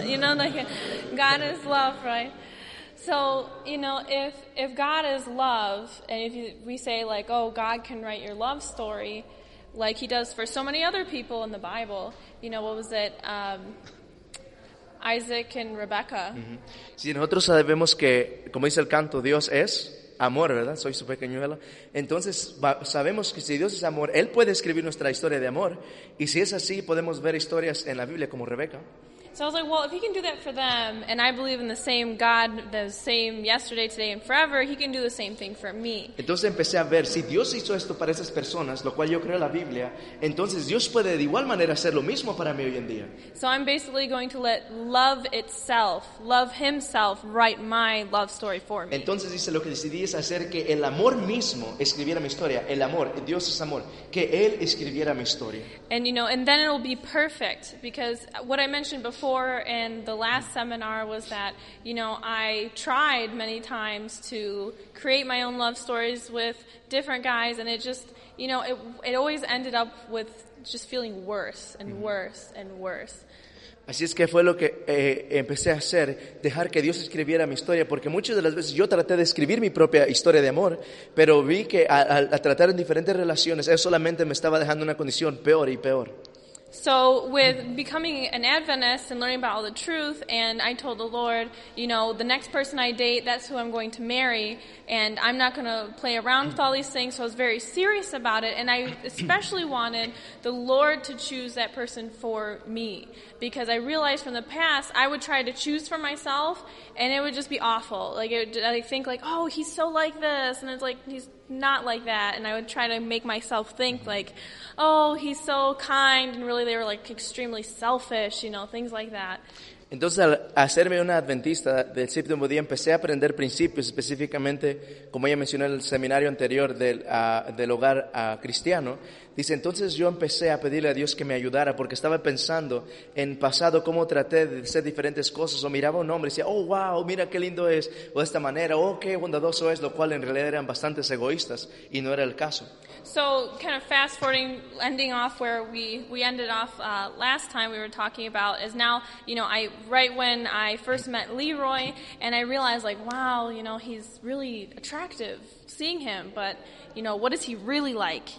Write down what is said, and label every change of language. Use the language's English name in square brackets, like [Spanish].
[English] You know, like God is love, right? So, you know, if God is love, and if we say like, oh, God can write your love story, like He does for so many other people in the Bible, you know, what was it? Isaac and Rebecca. Mm-hmm. [Spanish] Sí, nosotros sabemos que, como dice el canto, Dios es amor, ¿verdad? Soy su pequeñuelo. Entonces, sabemos que si Dios es amor, Él puede escribir nuestra historia de amor. Y si es así, podemos ver historias en la Biblia como Rebeca. [English] So I was like, well, if He can do that for them, and I believe in the same God, the same yesterday, today, and forever, He can do the same thing for me. [Spanish] Entonces empecé a ver, si Dios hizo esto para esas personas, lo cual yo creo en la Biblia, entonces Dios puede de igual manera hacer lo mismo para mí hoy en día. [English] So I'm basically going to let love itself, love Himself, write my love story for me. [Spanish] Entonces dice, lo que decidí es hacer que el amor mismo escribiera mi historia, el amor, Dios es amor, que Él escribiera mi historia. [English] And you know, and then it'll be perfect, because what I mentioned before, in the last seminar was that, you know, I tried many times to create my own love stories with different guys, and it just, you know, it always ended up with just feeling worse and worse and worse. [Spanish] Así es que fue lo que empecé a hacer, dejar que Dios escribiera mi historia, porque muchas de las veces yo traté de escribir mi propia historia de amor, pero vi que al tratar en diferentes relaciones, él solamente me estaba dejando una condición peor y peor. [English] So with becoming an Adventist and learning about all the truth, and I told the Lord, you know, the next person I date, that's who I'm going to marry, and I'm not going to play around with all these things. So I was very serious about it, and I especially wanted the Lord to choose that person for me, because I realized from the past I would try to choose for myself, and it would just be awful. Like I think like, oh, he's so like this, and it's like he's not like that, and I would try to make myself think like, oh, he's so kind, and really they were like extremely selfish, you know, things like that. [Spanish] Entonces, al hacerme una adventista del séptimo día, empecé a aprender principios, específicamente, como ella mencionó en el seminario anterior del hogar cristiano. Dice, entonces yo empecé a pedirle a Dios que me ayudara, porque estaba pensando en pasado cómo traté de hacer diferentes cosas, o miraba a un hombre y decía, oh, wow, mira qué lindo es, o de esta manera, oh, qué bondadoso es, lo cual en realidad eran bastante egoístas, y no era el caso. [English] So, kind of fast-forwarding, ending off where we ended off last time we were talking about is now, you know, right when I first met Leroy, and I realized, like, wow, you know, he's really attractive seeing him, but, you know, what is he really like?